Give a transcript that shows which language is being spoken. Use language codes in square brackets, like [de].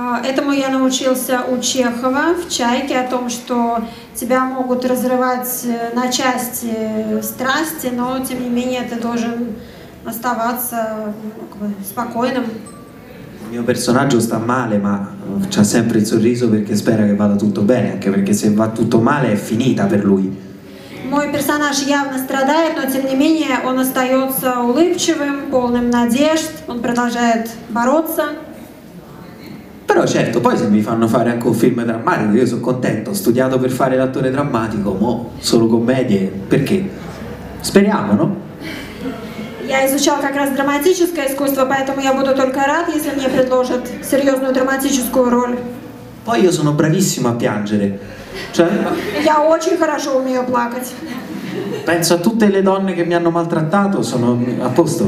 [ru] Этому я научился у Чехова в «Чайке», о том, что тебя могут разрывать на части страсти, но тем не менее ты должен оставаться как бы, спокойным. [it] Il mio personaggio sta male, ma c'ha sempre il sorriso perché spera che vada tutto bene, anche perché se va tutto male è finita per lui. [ru] Мой персонаж явно страдает, но тем не менее он остается улыбчивым, полным надежд, он продолжает бороться. [it] Però certo, poi se mi fanno fare anche un film drammatico, io sono contento, ho studiato per fare l'attore drammatico, mo solo commedie, perché? Speriamo, no? [ru] Я изучал как раз драматическое искусство, поэтому я буду только рад, если мне предложат серьезную драматическую роль. [it] Poi io sono bravissimo a piangere. Cioè, [ru] я очень хорошо умею плакать. [it] Penso a tutte le donne che mi hanno maltrattato, sono a posto.